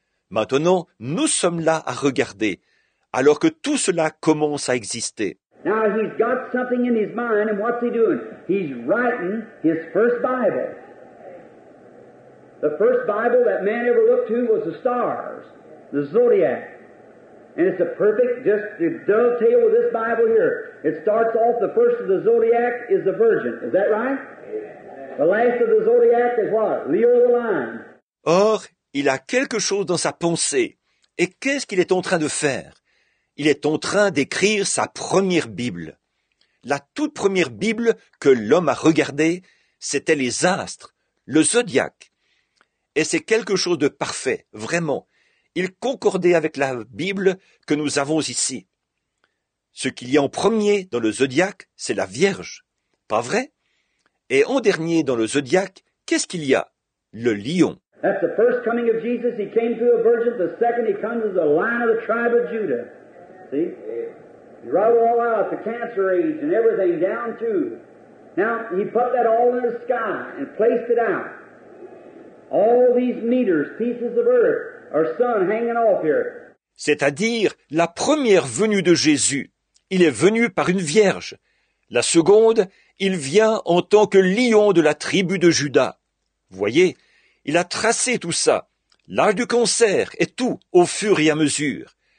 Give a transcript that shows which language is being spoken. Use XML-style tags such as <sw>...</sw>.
<fr>Maintenant, nous sommes là à regarder, alors que tout cela commence à exister.</fr> <en>Now he's got something in his mind, and what's he doing? He's writing his first Bible. The first Bible that man ever looked to was the stars, the zodiac. And it's a perfect, just to dovetail with this Bible here. It starts off, the first of the zodiac is the Virgin. Is that right? The last of the zodiac is what? Leo the Lion.</en> <fr>Or, il a quelque chose dans sa pensée. Et qu'est-ce qu'il est en train de faire? Il est en train d'écrire sa première Bible. La toute première Bible que l'homme a regardée, c'était les astres, le zodiaque. Et c'est quelque chose de parfait, vraiment. Il concordait avec la Bible que nous avons ici. Ce qu'il y a en premier dans le zodiaque, c'est la Vierge. Pas vrai? Et en dernier dans le zodiaque, qu'est-ce qu'il y a? Le lion.</fr> <en>That's the first coming of Jesus. He came through a virgin. The second, he comes as a lion of the tribe of Judah. See? He wrote it all out, the cancer age and everything down too. Now, he put that all in the sky and placed it out. All these meters, pieces of earth, our sun hanging off here.</en> <fr>C'est-à-dire la première venue de Jésus. Il est venu par une vierge. La seconde, il vient en tant que lion de la tribu de Juda. Voyez, il a tracé tout ça, l'âge du cancer et tout au fur et à mesure.</fr>